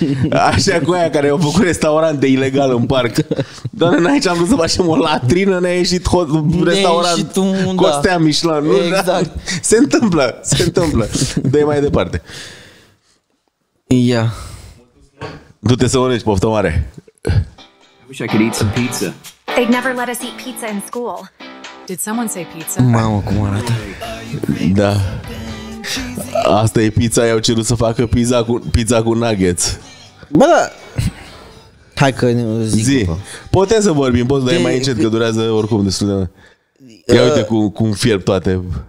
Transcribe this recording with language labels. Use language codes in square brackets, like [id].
[ro] Așa cu aia care au făcut restaurant de ilegal în parc. Doamne, noi aici am vrut să facem o latrină, ne-a ieșit restaurant Costea Michelin. Exact. Se întâmplă. Dă-i mai departe. Ia. Yeah. Du-te să mănânci, poftă mare. [en] I wish I could eat some pizza. They'd never let us eat pizza in school. Did someone say pizza? [ro] Mamă, cum arată. Da. Asta e pizza, i-au cerut să facă pizza cu nuggets. Bă, da. Hai că zic. Zi. Putem să vorbim, poți, dar e mai încet, că durează oricum destul de... Ia uite cum fierb toate.